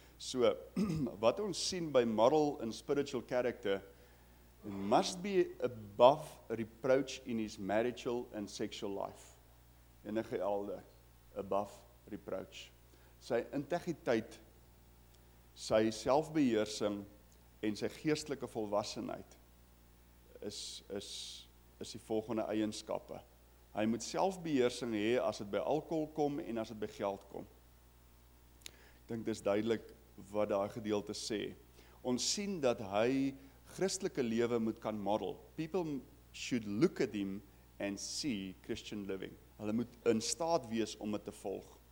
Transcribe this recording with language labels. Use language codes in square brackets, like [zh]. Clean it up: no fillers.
[af] So, wat ons sien by [en] moral and spiritual character, must be above reproach in his marital and sexual life. Enige elder, above reproach. [af] Sy integriteit, sy selfbeheersing en sy geestelike volwassenheid is die volgende eienskappe. Hy moet selfbeheersing hê as het by alcohol kom en as het by geld kom. Ek dink dis duidelik wat daai gedeelte sê. Ons sien dat hy Christelike lewe moet kan model. [en] People should look at him and see Christian living. [af] Hulle moet in staat wees om dit te volg.